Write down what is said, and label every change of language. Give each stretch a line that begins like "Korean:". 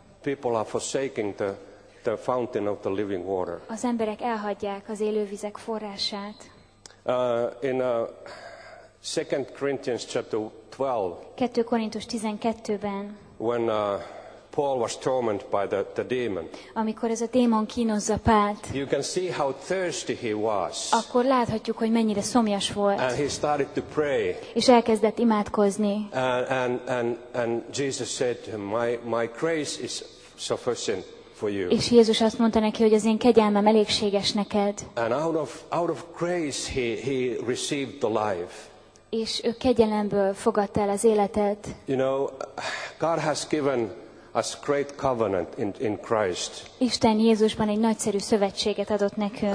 English: People are forsaking the fountain of the living water.
Hungarian: Az emberek elhagyják az élővizek forrását.
English: In a 2 Corinthians chapter 12.
Hungarian: 2 Korintus 12-ben.
English: When Paul was tormented by the demon.
Hungarian: Amikor ez a démon kínozza Pált.
English: You can see how thirsty he was.
Hungarian: Akkor láthatjuk, hogy mennyire szomjas volt.
English: And he started to pray.
Hungarian: És elkezdett imádkozni.
English: And Jesus said to him, my grace is sufficient for you.
Hungarian: És Jézus azt mondta neki, hogy az én kegyelmem elégséges neked.
English: And out of grace he received the life.
Hungarian: És ő kegyelemből fogadta el az életet.
English: You know, God has given us great covenant in Christ.
Hungarian: Isten Jézusban egy nagyszerű szövetséget adott nekünk.